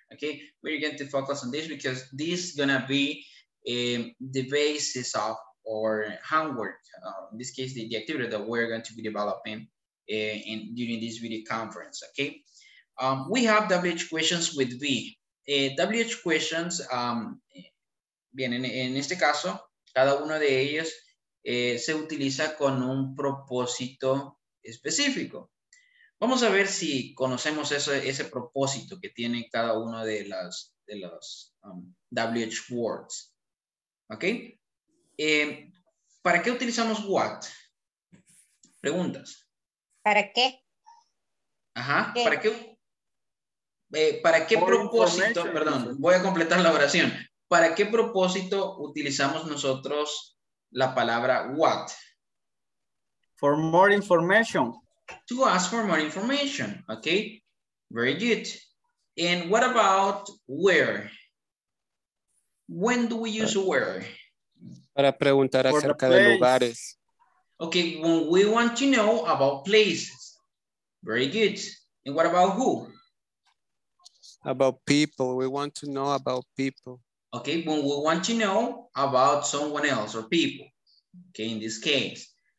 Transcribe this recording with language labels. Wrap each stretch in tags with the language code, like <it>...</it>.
<en>Okay, we're going to focus on this because this is gonna be the basis of our homework. In this case, the activity that we're going to be developing in during this video conference. Okay, we have WH questions with V.</en> <es>WH questions, bien, en este caso, cada uno de ellos se utiliza con un propósito específico. Vamos a ver si conocemos ese propósito que tiene cada uno de las WH words. ¿Ok? ¿Para qué utilizamos what? Preguntas. ¿Para qué? Ajá, ¿qué? ¿Para qué? ¿Para qué propósito, perdón, voy a completar la oración. ¿Para qué propósito utilizamos nosotros la palabra what?</es> <en>For more information. To ask for more information, okay? Very good. And what about where? When do we use where?</en> <es>Para preguntar acerca de lugares.</es> <en>Okay, when we want to know about places. Very good. And what about who? About people, we want to know about people. Okay, when we want to know about someone else or people, okay, in this case.</en>